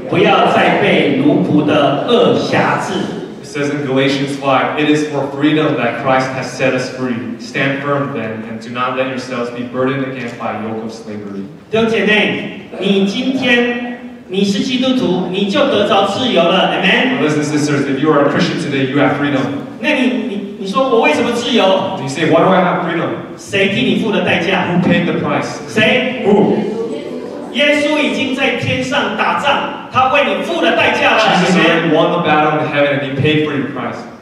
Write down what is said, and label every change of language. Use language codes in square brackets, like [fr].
[zh] 今天我们能够得到自由，是因为什么呢？是在加拉太书5章1节这样子。我们中文我们先一起读哦，请。基督释放了我们，叫我们得以自由，所以要站立的稳，不要再被奴仆的轭辖制。 [en] It says in Galatians 5, it is for freedom that Christ has set us free. Stand firm then, and do not let yourselves be burdened again by a yoke of slavery. [zh] 弟兄姐妹，你今天你是基督徒，你就得着自由了。Amen. [en] Brothers and sisters, if you are a Christian today, you have freedom. [zh] 那你说我为什么自由？ [en] You say, why do I have freedom? [zh] 谁替你付的代价？ [en] Who paid the price? [zh] 谁？ [en] Who? [zh] 耶稣已经在天上打仗。 [en] Jesus already won the battle in heaven and he paid for your price.